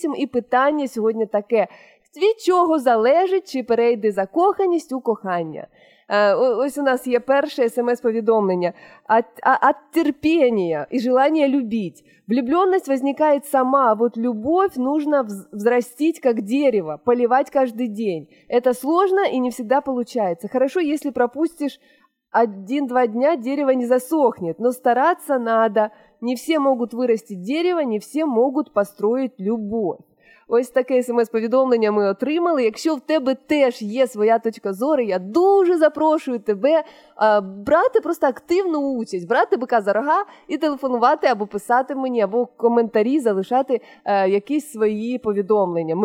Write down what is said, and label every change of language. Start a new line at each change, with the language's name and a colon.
Ukrainian: І питання сьогодні таке: від чого залежить, чи перейде закоханість у кохання? Ось у нас є перше смс-повідомлення. Терпіння і желання любити.
Russian: Влюбленность возникает сама, а вот любовь нужно взрастить, как дерево, поливать каждый день. Это сложно и не всегда получается. Хорошо, если пропустишь 1-2 дня, дерево не засохнет, но стараться надо. Не все могут вырастить дерево, не все могут построить любовь.
Ukrainian: Ось таке смс-повідомлення ми отримали. Якщо в тебе теж є своя точка зору, я дуже запрошую тебе брати просто активну участь, брати бика за рога і телефонувати або писати мені, або коментарі залишати якісь свої повідомлення.